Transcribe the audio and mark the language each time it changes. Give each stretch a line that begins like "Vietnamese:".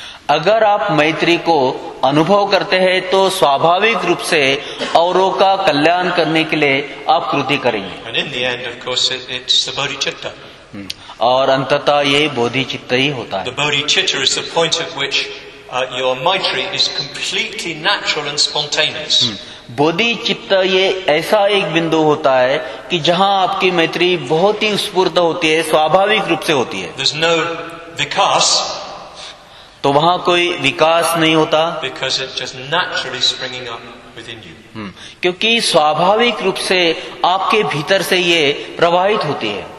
Hindi: अगर आप मैत्री को अनुभव करते हैं तो स्वाभाविक रूप से औरों का कल्याण करने के लिए आप कृति करेंगे.
English: And in the end, of course, it's the bodhicitta.
Hindi: और अंततः ये बोधिचित्त ही होता है.
English: The bodhicitta is the point at which your Maitri is completely natural and spontaneous.
Hindi: बोधिचित्त ये ऐसा एक बिंदु होता है कि जहां आपकी मैत्री बहुत ही स्फूर्त होती है, स्वाभाविक रूप से होती है.
English: There's no vikas.
Hindi: तो वहां कोई विकास नहीं होता.
English: Because it's just naturally springing up within you.
Hindi: क्योंकि स्वाभाविक रूप से आपके भीतर से ये प्रवाहित होती है.